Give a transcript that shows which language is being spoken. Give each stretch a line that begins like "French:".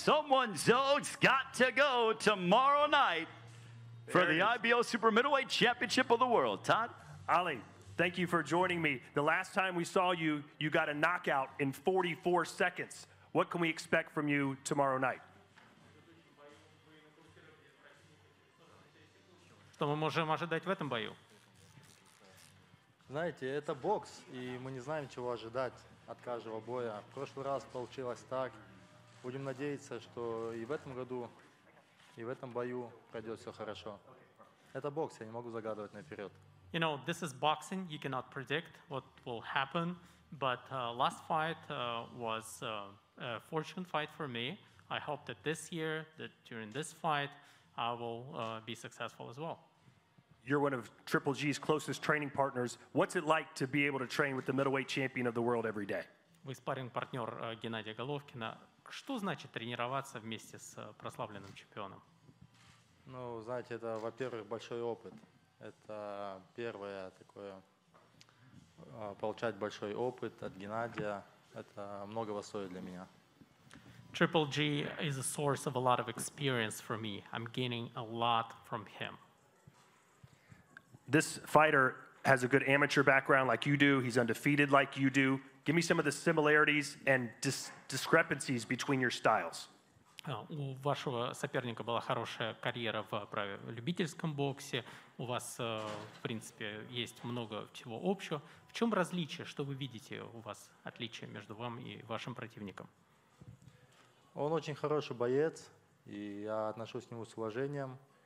English: Someone's O's got to go tomorrow night for the IBO Super Middleweight Championship of the World. Todd? Ali, thank you for joining me. The last time we saw you, you got a knockout in 44 seconds. What can we expect from you tomorrow night?
Russian: Что мы можем ожидать в этом бою? Знаете, это бокс, и мы не знаем, чего ожидать от каждого боя. В прошлый раз получилось так. Будем надеяться, что и в этом году, и в этом бою пройдет все хорошо. Это бокс, я не могу загадывать наперед.
English: You know, this is boxing. You cannot predict what will happen. But last fight was a fortune fight for me. I hope that this year, that during this fight, I will be successful as well. You're one of Triple G's closest training partners. What's it like to be able to train with the middleweight champion of the world every day?
Russian: Вы спарринг-партнер Геннадия Головкина. Что значит тренироваться вместе с прославленным чемпионом? Ну, знаете, это, во-первых, большой опыт. Это первое такое, получать большой опыт от Геннадия. Это многого стоит для меня.
English: Triple G is a source of a lot of experience for me. I'm gaining a lot from him. This fighter has a good amateur background like you do. He's undefeated like you do. Give me some of the similarities and discrepancies between your styles.
Russian: У вашего соперника была хорошая карьера в любительском боксе. У вас, в принципе, есть много чего общего. В чем различие? Что вы видите у вас отличие между вам и вашим противником? Он очень хороший боец, и я отношусь к нему с уважением.